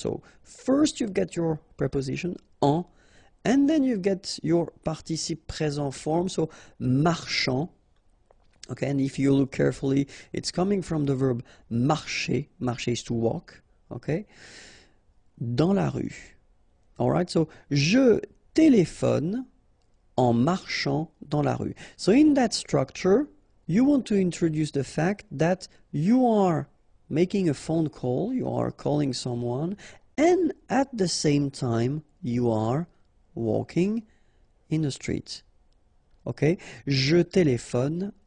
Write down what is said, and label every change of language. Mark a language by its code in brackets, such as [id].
[en] So first you've got your preposition, en, and then you've got your participe présent form, so marchant. Okay, and if you look carefully, it's coming from the verb marcher, marcher is to walk. [fr] Okay, dans la rue. [en] All right, so [fr] je téléphone en marchant dans la rue. [en] So in that structure, you want to introduce the fact that you are making a phone call, you are calling someone, and at the same time, you are walking in the street. Okay, [fr] je téléphone